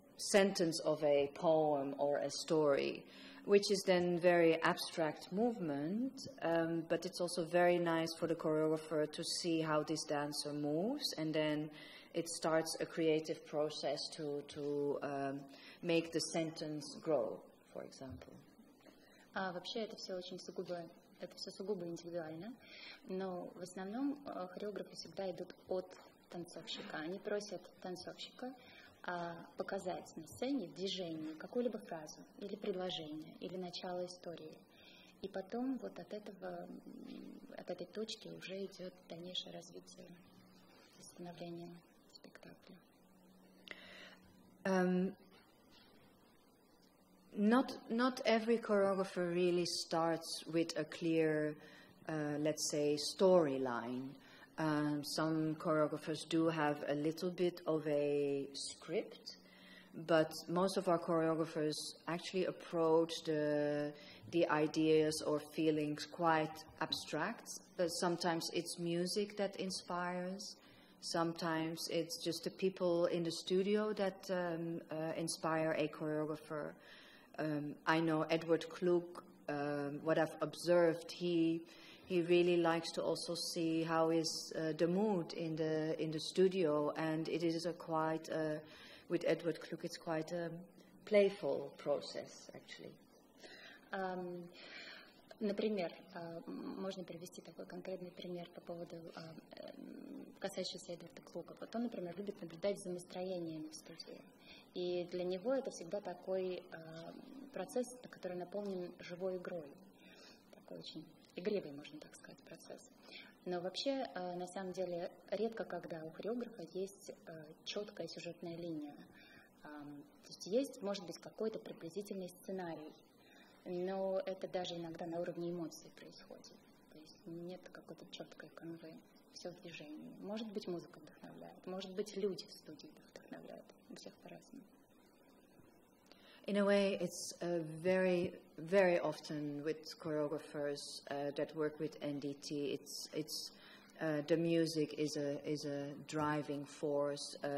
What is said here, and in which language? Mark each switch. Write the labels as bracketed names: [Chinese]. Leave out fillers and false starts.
[English] sentence of a poem or a story, which is then very abstract movement, but it's also very nice for the choreographer to see how this dancer moves, and then it starts a creative process to make the sentence grow, for example. [Russian] Вообще это все очень сугубо, это все сугубо индивидуально, но в основном хореографы всегда идут от танцовщика. Они просят танцовщика показать на сцене движение, какую-либо фразу или предложение, или начало истории. И потом вот от этого, от этой точки уже идет дальнейшее развитие, становление спектакля. [English] Not every choreographer really starts with a clear, let's say, storyline. Some choreographers do have a little bit of a script, but most of our choreographers actually approach the ideas or feelings quite abstract. Sometimes it's music that inspires, sometimes it's just the people in the studio that inspire a choreographer. I know Edward Klug, what I've observed, he really likes to also see how is the mood in the studio, and it is a quite with Edward Klug, it's quite a playful process actually. [Russian] Например, можно привести такой конкретный пример по поводу касающийся Эдварда Клуга. Вот он, например, любит наблюдать за настроением в студии, и для него это всегда такой процесс, который наполнен живой игрой, такой очень игривый, можно так сказать, процесс. Но вообще, на самом деле, редко когда у хореографа есть четкая сюжетная линия. То есть есть, может быть, какой-то приблизительный сценарий, но это даже иногда на уровне эмоций происходит. То есть нет какой-то четкой канвы, все в движении. Может быть, музыка вдохновляет, может быть, люди в студии вдохновляют. У всех по-разному. [English] In a way, it's very, very often with choreographers that work with NDT, it's the music is a driving force.